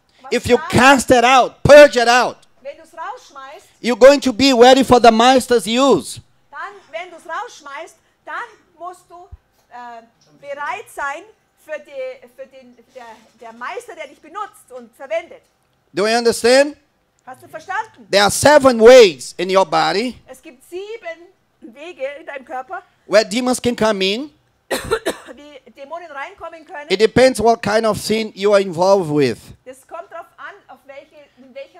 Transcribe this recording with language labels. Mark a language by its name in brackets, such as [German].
[English] If you cast it out, purge it out. [German] Wenn du es rausschmeißt. [English] You're going to be ready for the master's use. [German] Dann, wenn du es rausschmeißt. Dann musst du bereit sein für den Meister, der dich benutzt und verwendet. [English] Do you understand? [German] Hast du verstanden? [English] There are seven ways in your body. [German] Es gibt sieben Wege in deinem Körper. [English] Where demons can come in. [German] Wie Dämonen reinkommen können. [English] It depends what kind of sin you are involved with. [German] Das kommt drauf an, auf welche, in welcher